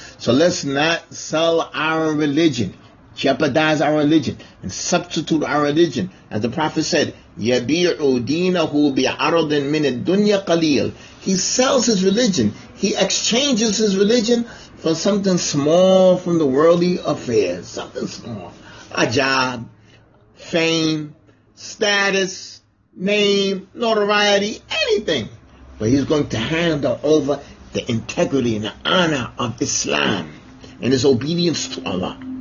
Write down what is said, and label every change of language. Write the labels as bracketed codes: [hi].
[en] So let's not sell our religion, jeopardize our religion, and substitute our religion. As the Prophet said, [ar] يَبِيعُ دِينَهُ بِعَرْضٍ مِنَ الدُّنْيَا قَلِيلٍ. [en] He sells his religion. He exchanges his religion for something small from the worldly affairs. Something small. A job, fame, status, name, notoriety, anything. But he's going to hand over the integrity and the honor of Islam and his obedience to Allah.